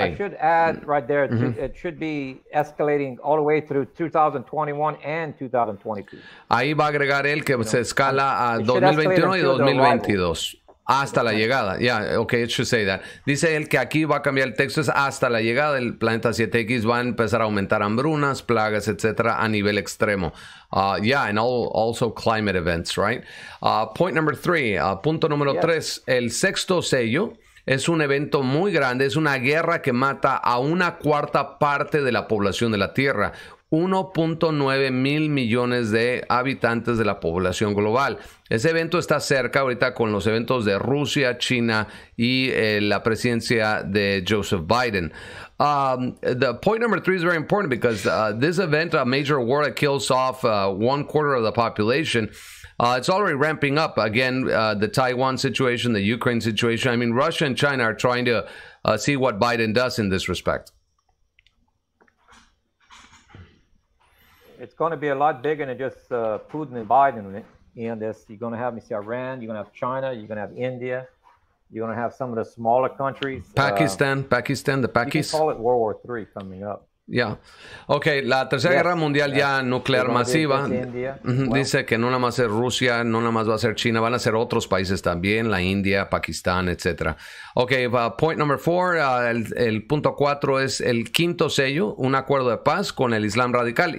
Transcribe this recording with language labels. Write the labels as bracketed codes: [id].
[en] I should add right there, it should be escalating all the way through 2021 and 2022. [es] Ahí va a agregar él que se escala a 2021 y 2022. Hasta la llegada. [en] Yeah, okay, it should say that. [es] Dice él que aquí va a cambiar el texto, es hasta la llegada del planeta 7X, va a empezar a aumentar hambrunas, plagas, etcétera, a nivel extremo. [en] Yeah, and also climate events, right? Point number three, [es] punto número tres, el sexto sello. Es un evento muy grande, es una guerra que mata a una cuarta parte de la población de la Tierra, 1.9 mil millones de habitantes de la población global. Ese evento está cerca ahorita con los eventos de Rusia, China y la presidencia de Joseph Biden. [en] The point number three is very important because this event, a major war that kills off one quarter of the population, it's already ramping up again, the Taiwan situation, the Ukraine situation. I mean, Russia and China are trying to see what Biden does in this respect. It's going to be a lot bigger than just Putin and Biden in this. You're going to have, Iran, you're going to have China, you're going to have India. You're going to have some of the smaller countries. Pakistan, the Pakis. You can call it World War III coming up. [es] Yeah. Okay, la Tercera Guerra Mundial ya nuclear masiva. Dice que no nada más es Rusia, no nada más va a ser China, van a ser otros países también, la India, Pakistán, etc. Okay, [en] point number four, [es] el punto cuatro es el quinto sello, un acuerdo de paz con el Islam radical.